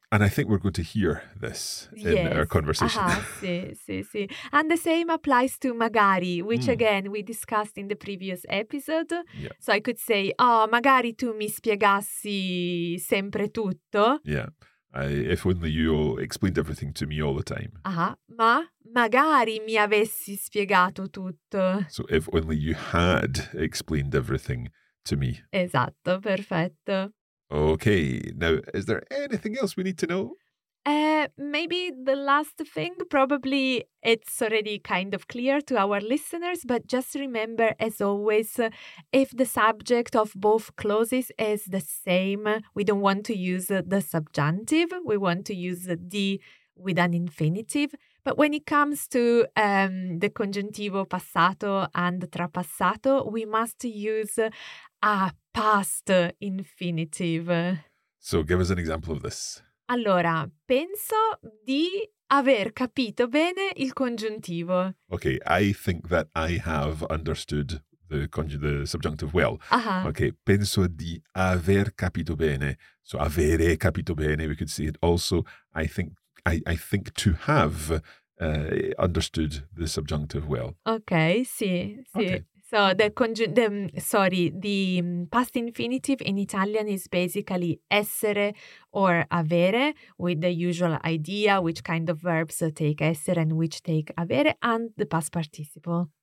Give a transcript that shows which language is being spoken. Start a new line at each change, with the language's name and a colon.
English: And I think we're going to hear this in our conversation.
Italian: Sì, sì, sì.
English: And the same applies to magari, which again, we discussed in the previous episode. Yeah. So I could say, oh,
Italian: magari tu mi spiegassi sempre tutto.
English: Yeah. If only you explained everything to me all the time.
Italian: Ma magari mi avessi spiegato tutto.
English: So if only you had explained everything to me.
Italian: Esatto, perfetto.
English: Okay, now is there anything else we need to know? Maybe the last thing, probably it's already kind of clear to our listeners, but just remember, as always, if the subject of both clauses is the same, we don't want to use the subjunctive, we want to use the D with an infinitive. But when it comes to the congiuntivo passato and trapassato, we must use a past infinitive. So give us an example of this.
Italian: Allora, penso di aver capito bene il congiuntivo.
English: Okay, I think that I have understood the subjunctive well. Uh-huh.
Italian: Okay, penso di aver capito bene.
English: So
Italian: avere capito bene,
English: we could say it also. I think to have understood the subjunctive well. Okay, sì. Okay. So the past infinitive in Italian is basically essere or avere, with the usual idea which kind of verbs take essere and which take avere, and the past participle.